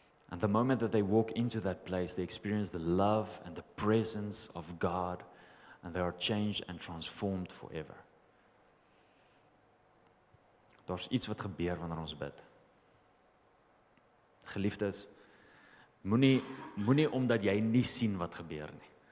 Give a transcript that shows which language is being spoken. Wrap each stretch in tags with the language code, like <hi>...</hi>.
<en>And the moment that they walk into that place, they experience the love and the presence of God, and they are changed and transformed forever.</en> <af>Daar is iets wat gebeur wanneer ons bid. Geliefdes, Moenie omdat jy nie sien wat gebeur nie.</af>